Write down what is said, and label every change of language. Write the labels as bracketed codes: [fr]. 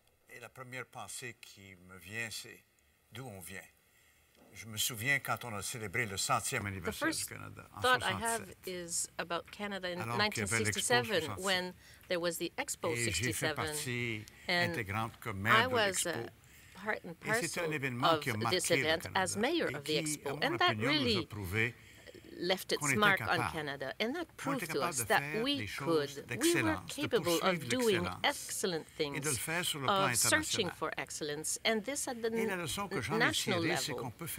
[fr] Et la première pensée qui me vient, c'est d'où on vient. Je me souviens quand on a célébré le centième anniversaire du Canada. [en] The first thought I have is about Canada in 1967, when there was the Expo 67. [fr] Et j'ai fait partie intégrante comme maire de l'Expo. [en] Part and parcel of this event as mayor of the Expo, and that really left its mark on Canada. And that proved to us that we were capable of doing excellent things, of searching for excellence, and this at the national level.